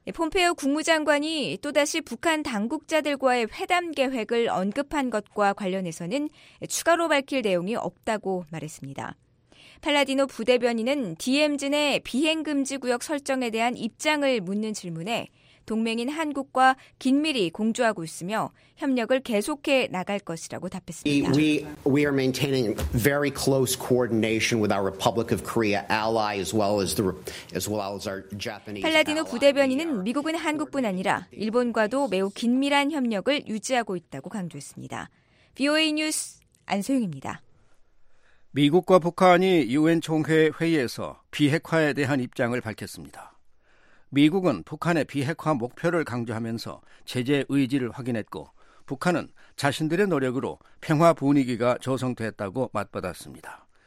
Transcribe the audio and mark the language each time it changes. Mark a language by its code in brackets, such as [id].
[ko] 폼페오 국무장관이 또다시 북한 당국자들과의 회담 계획을 언급한 것과 관련해서는 추가로 밝힐 내용이 없다고 말했습니다. 팔라디노 부대변인은 DMZ 내 비행금지구역 설정에 대한 입장을 묻는 질문에 동맹인 한국과 긴밀히 공조하고 있으며 협력을 계속해 나갈 것이라고 답했습니다. [en] We are maintaining very close coordination with our Republic of Korea ally as well as our Japanese. [ko] 팔라디노 부대변인은 미국은 한국뿐 아니라 일본과도 매우 긴밀한 협력을 유지하고 있다고 강조했습니다. BOA 뉴스 안소영입니다. 미국과 북한이 유엔 총회 회의에서 비핵화에 대한 입장을 밝혔습니다. 미국은 북한의 비핵화 목표를 강조하면서 제재 의지를 확인했고 북한은 자신들의 노력으로 평화 분위기가 조성됐다고 맞받았습니다.